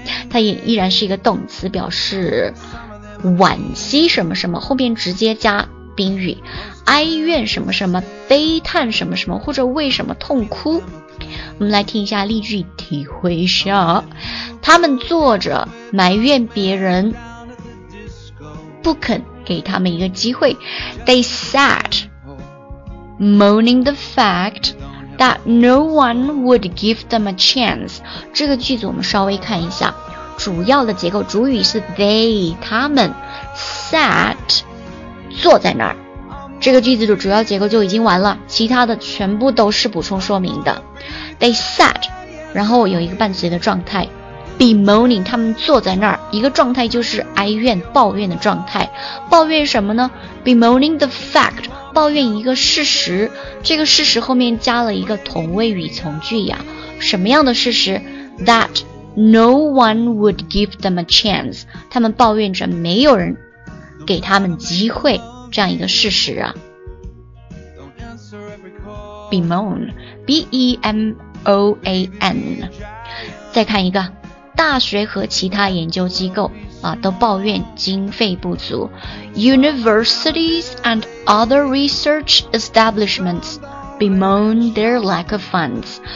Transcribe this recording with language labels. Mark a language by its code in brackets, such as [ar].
[zh] 它也依然是一个动词，表示惋惜什么什么，后面直接加宾语，哀怨什么什么，悲叹什么什么，或者为什么痛哭。我们来听一下例句，体会一下。他们坐着埋怨别人不肯给他们一个机会。 [en] They sat moaning the fact that no one would give them a chance。 [zh] 这个句子我们稍微看一下主要的结构，主语是 they， 他们 sat 坐在那儿，这个句子的主要结构就已经完了，其他的全部都是补充说明的。 [en] They sat， [zh] 然后有一个伴随的状态 bemoaning， 他们坐在那儿，一个状态就是哀怨抱怨的状态。抱怨什么呢？ [en] bemoaning the fact， [zh] 抱怨一个事实，这个事实后面加了一个同位语从句呀，什么样的事实？ [en] that no one would give them a chance， [zh] 他们抱怨着没有人给他们机会，这样一个事实啊。 [en] bemoan， B-E-M-O-A-N。 [zh] 再看一个，大学和其他研究机构啊，都抱怨经费不足。 [en] Universities and other research establishments bemoan their lack of funds。